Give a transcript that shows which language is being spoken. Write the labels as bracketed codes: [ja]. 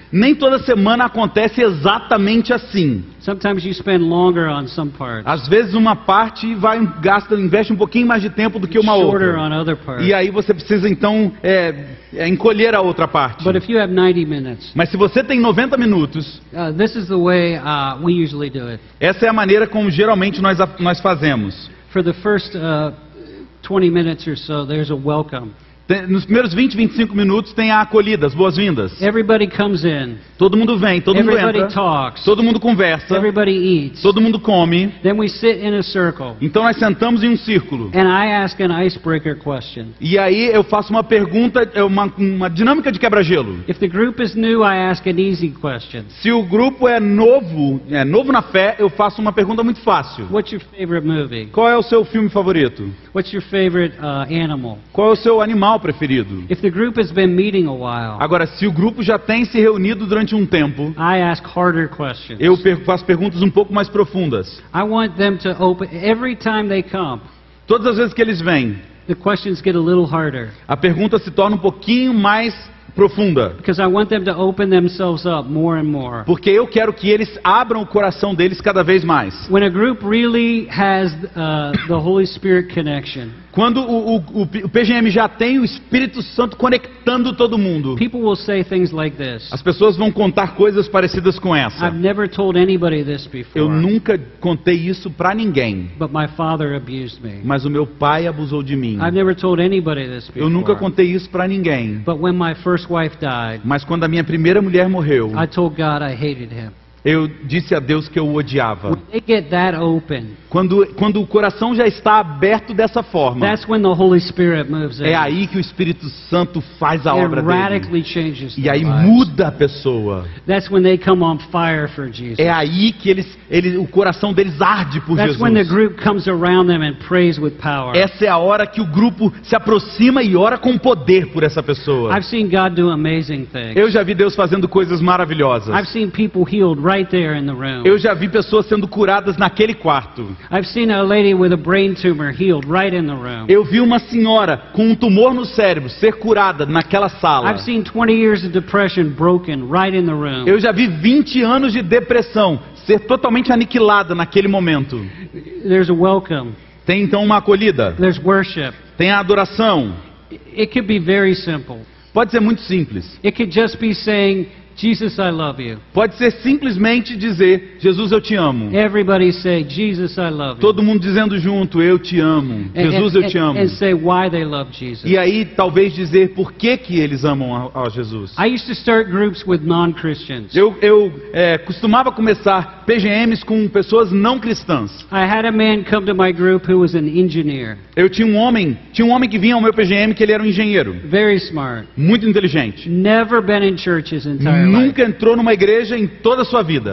[pt] Nem toda semana acontece exatamente assim. [en] Sometimes you spend longer on some parts. [pt] Às vezes uma parte vai investe um pouquinho mais de tempo do que uma [en] shorter [pt] outra. [en] On other parts. [pt] E aí você precisa então encolher a outra parte. [en] But if you have 90 minutes, [pt] mas se você tem 90 minutos, [en] this is the way, we usually do it. [pt] Essa é a maneira como geralmente nós fazemos. [en] For the first 20 minutes or so, there's a welcome. [pt] Nos primeiros 20, 25 minutos tem a acolhida, as boas-vindas. [en] Everybody comes in. [pt] Todo mundo vem, todo [en] Everybody Everybody talks. [pt] Todo mundo conversa. [en] Everybody eats. [pt] Todo mundo come. [en] Then we sit in a circle. [pt] Então nós sentamos em um círculo. [en] And I ask an icebreaker question. [pt] E aí eu faço uma pergunta, uma dinâmica de quebra-gelo. [en] If the group is new, I ask an easy question. [pt] Se o grupo é novo na fé, eu faço uma pergunta muito fácil. [en] What's your favorite movie? [pt] Qual é o seu filme favorito? [en] What's your favorite, animal? [pt] Qual é o seu animal preferido? [en] If the group has been meeting a while, [pt] agora, se o grupo já tem se reunido durante um tempo, [en] I ask harder questions. [pt] Eu faço perguntas um pouco mais profundas. [en] I want them to open, every time they come, [pt] todas as vezes que eles vêm, [en] the questions get a little harder. [pt] A pergunta se torna um pouquinho mais profunda. [en] Because I want them to open themselves up more and more. [pt] Porque eu quero que eles abram o coração deles cada vez mais. [en] When a group really has, the Holy Spirit connection, [pt] quando o PGM já tem o Espírito Santo conectando todo mundo, [en] people will say things like this. [pt] As pessoas vão contar coisas parecidas com essa. [en] I've never told anybody this before. [pt] Eu nunca contei isso para ninguém. [en] But my father abused me. [pt] Mas o meu pai abusou de mim. [en] I've never told anybody this before. [pt] Eu nunca contei isso para ninguém. [en] But when my first wife died, [pt] mas quando a minha primeira mulher morreu, [en] I told God I hated him. [pt] Eu disse a Deus que eu o odiava. [en] When they get that open, [pt] quando o coração já está aberto dessa forma, [en] that's when the Holy Spirit moves in. [pt] É aí que o Espírito Santo faz a obra [en] radically [pt] dele. [en] Changes [pt] e aí [en] lives. [pt] Muda a pessoa. [en] That's when they come on fire for Jesus. [pt] É aí que o coração deles arde por [en] that's [pt] Jesus. [en] When the group comes around them and prays with power. [pt] Essa é a hora que o grupo se aproxima e ora com poder por essa pessoa. [en] I've seen God do amazing things. [pt] Eu já vi Deus fazendo coisas maravilhosas. [en] I've seen people healed right there in the room. [pt] Eu já vi pessoas sendo curadas naquele quarto. [en] I've seen a lady with a brain tumor healed right in the room. [pt] Eu vi uma senhora com um tumor no cérebro ser curada naquela sala. [en] I've seen 20 years of depression broken right in the room. [pt] Eu já vi 20 anos de depressão ser totalmente aniquilada naquele momento. [en] There's a welcome. [pt] Tem então uma acolhida. [en] There's worship. [pt] Tem a adoração. [en] It could be very simple. [pt] Pode ser muito simples. [en] It could just be saying, Jesus, I love you. [pt] Pode ser simplesmente dizer, Jesus, eu te amo. [en] Everybody say, Jesus, I love you. [pt] Todo mundo dizendo junto, eu te amo. Jesus, eu te amo. [en] And say why they love Jesus. [pt] E aí, talvez dizer por que eles amam a Jesus. [en] I used to start groups with non-Christians. [pt] Eu costumava começar PGMs com pessoas não cristãs. [en] I had a man come to my group who was an engineer. [pt] Eu tinha um homem que vinha ao meu PGM que ele era um engenheiro. [en] Very smart. [pt] Muito inteligente. [en] Never been in churches in [pt] Nunca entrou numa igreja em toda a sua vida.